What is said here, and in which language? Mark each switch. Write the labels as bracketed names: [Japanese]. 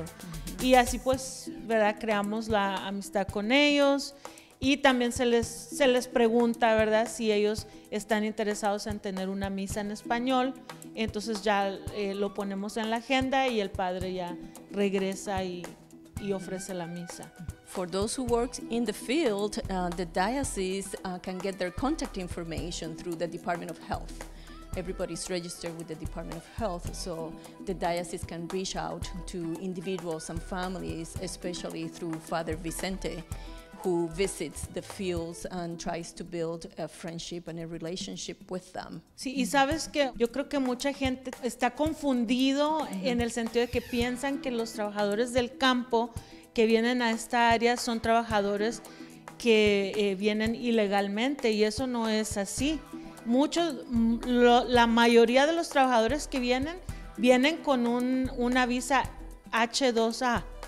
[Spanish] Uh-huh. Y así pues, ¿verdad?, creamos la amistad con ellos, y también se les pregunta, ¿verdad?, si ellos están interesados en tener una misa en español. Entonces ya lo ponemos en la agenda y el padre ya regresa y ofrece la misa. [English] For those who work in the field, the diocese can get their contact information through the Department of Health. Everybody's registered with the Department of Health, so the diocese can reach out to individuals and families, especially through Father Vicente, who visits the fields and tries to build a friendship and a relationship with them. [Spanish] Sí, y sabes que yo creo que mucha gente está confundido en el sentido de que piensan que los trabajadores del campo que vienen a esta área son trabajadores que vienen ilegalmente, y eso no es así. Muchos, la mayoría de los trabajadores que vienen, vienen con una visa H2A.